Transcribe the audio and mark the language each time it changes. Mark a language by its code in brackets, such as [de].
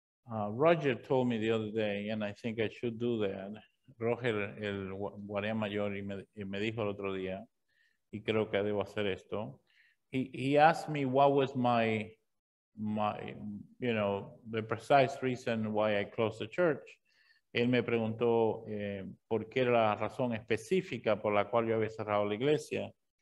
[en] I think Roger told me the other day, and I think I should do that. [es] Roger, el guardia mayor, me dijo el otro día, y creo que debo hacer esto. [en] He asked me what was the precise reason why I closed the church. [es] Él me preguntó por qué era la razón específica por la cual yo había cerrado la iglesia.